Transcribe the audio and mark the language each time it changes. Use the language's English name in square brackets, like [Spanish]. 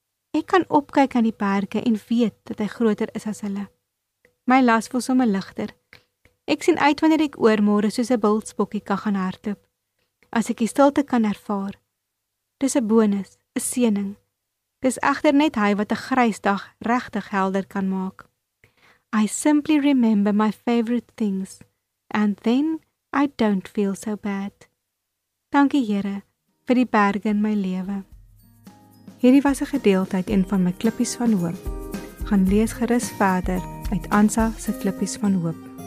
[Afrikaans] Ek kan opkyk aan die berge en weet dat hy groter is as hulle. My las voel sommer ligter. Ek sien uit wanneer ek oormôre soos 'n bultsbokkie kan gaan hardloop. As ek die stilte kan ervaar. Dis 'n bonus, 'n seëning. Dis egter net hy wat 'n grys dag regtig helder kan maak. [English] I simply remember my favorite things and then I don't feel so bad. [Afrikaans] Dankie Here vir die berge in my lewe. Hierdie was 'n gedeelte uit een van my klippies van hoop. Gaan lees gerus verder uit Ansa se klippies van hoop.